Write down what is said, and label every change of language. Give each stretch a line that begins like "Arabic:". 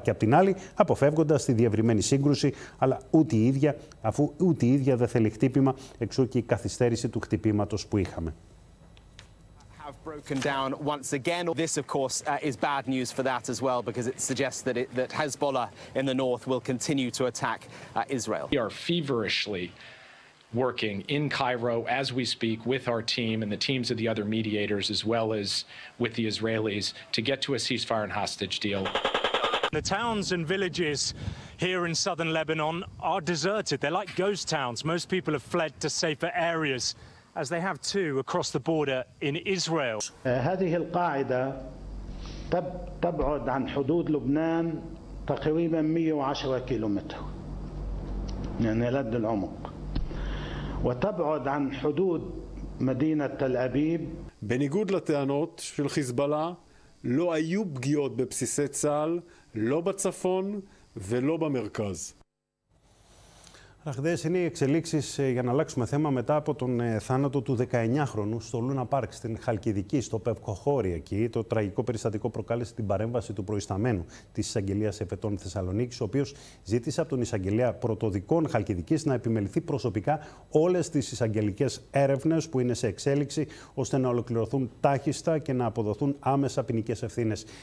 Greek: Και απ' την άλλη, αποφεύγοντας τη διευρυμένη σύγκρουση, αφού ούτε η ίδια δεν θέλει χτύπημα, εξού και η καθυστέρηση του χτυπήματος που είχαμε.
English: broken down once again. This, of course, is bad news for that as well, because it suggests that that Hezbollah in the north will continue to attack Israel. We are feverishly working in Cairo as we speak with our team and the teams of the other mediators, as well as with the Israelis, to get to a ceasefire and hostage deal. The towns and villages here in southern Lebanon are deserted. They're like ghost towns. Most people have fled to safer areas, as they have too across the border in Israel.
Arabic: هذه القاعدة تبعد عن حدود لبنان تقريبا 110 كيلومتر يعني لد العمق وتبعد عن حدود مدينة تل أبيب.
Hebrew: בניגוד לטענות של חיזבאללה, לא היו פגיעות בבסיסי צה"ל, לא בצפון ולא במרכז.
Greek: Ραχδαίες είναι οι εξελίξεις, για να αλλάξουμε θέμα, μετά από τον θάνατο του 19χρονου στο Λούνα Πάρκ στην Χαλκιδική, στο Πευκοχώρι εκεί. Το τραγικό περιστατικό προκάλεσε την παρέμβαση του προϊσταμένου της Εισαγγελίας Εφετών Θεσσαλονίκης, ο οποίος ζήτησε από τον Εισαγγελέα Πρωτοδικών Χαλκιδικής να επιμεληθεί προσωπικά όλες τις εισαγγελικές έρευνες που είναι σε εξέλιξη, ώστε να ολοκληρωθούν τάχιστα και να αποδοθούν άμεσα ποινικές ευθύνες.